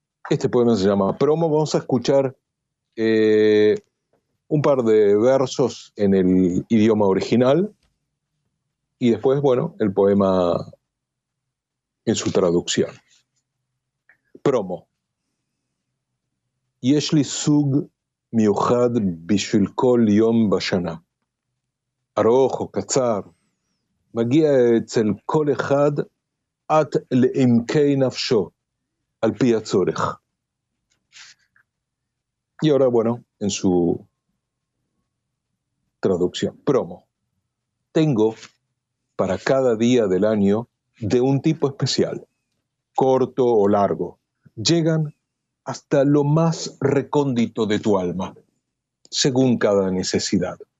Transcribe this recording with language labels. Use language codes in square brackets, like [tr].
[es] Este poema se llama Promo. Vamos a escuchar un par de versos en el idioma original y después, bueno, el poema en su traducción. Promo. [he] יש לי סוג מיוחד בשביל כל יום בשנה. ארוך או קצר, מגיע אצל כל אחד עד לעמקי נפשו, על פי הצורך. [es] Y ahora, bueno, en su traducción. Promo. Tengo para cada día del año de un tipo especial, corto o largo. Llegan hasta lo más recóndito de tu alma, según cada necesidad.